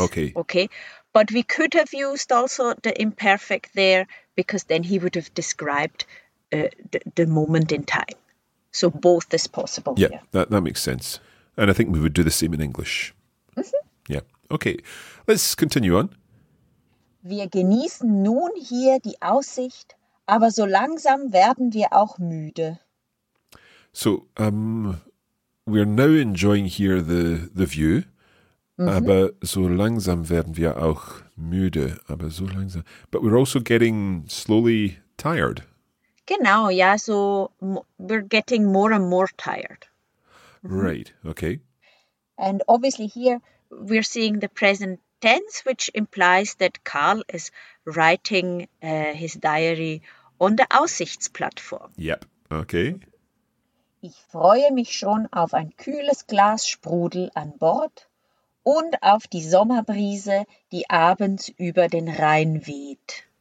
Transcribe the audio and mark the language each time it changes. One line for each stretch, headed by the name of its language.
English: Okay. Okay. But we could have used also the imperfect there because then he would have described the moment in time. So both is possible. Yeah, that makes sense. And I think we would do the same in English. Mm-hmm. Yeah. Okay. Let's continue on.
German: Wir genießen nun hier die Aussicht, aber so langsam werden wir auch müde.
English: So, we're now enjoying here the view, mm-hmm.
German: aber so langsam werden wir auch müde, aber so langsam.
English: But we're also getting slowly tired.
German: Genau, ja,
English: so we're getting more and more tired. Mm-hmm. Right, okay. And obviously here we're seeing the present tense, which implies that Karl is writing his diary on the Aussichtsplattform. Yep, okay.
German: Ich freue mich schon auf ein kühles Glas Sprudel an Bord und auf die Sommerbrise, die abends über den Rhein weht.